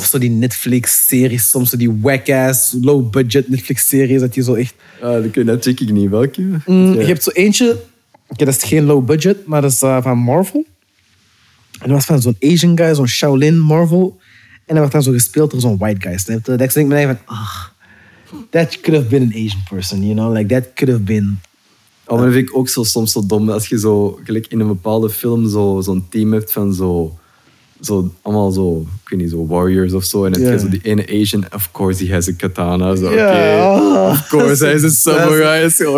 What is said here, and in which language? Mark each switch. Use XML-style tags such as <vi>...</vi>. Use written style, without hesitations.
<nl>Of zo die Netflix-series, soms zo die whack-ass, low-budget Netflix-series, dat die zo echt... Dat check ik niet, welke? Je hebt zo eentje, dat is geen low-budget, maar dat is van Marvel. En dat was van zo'n Asian guy, zo'n Shaolin Marvel. En dat werd dan zo gespeeld door zo'n white guy. Dat ik denk me van, ach,</nl> <en>that could have been an Asian person, you know? Like, that could have been...</en> <nl>Oh, maar dat vind ik ook zo, soms zo dom. Als je zo gelijk in een bepaalde film zo'n team hebt van zo allemaal zo, ik weet niet, zo warriors of zo. En dan heb je zo die ene</nl> <en>Asian, of course he has a katana. Zo, okay. Of course</en> <nl>hij is een samurai.</nl>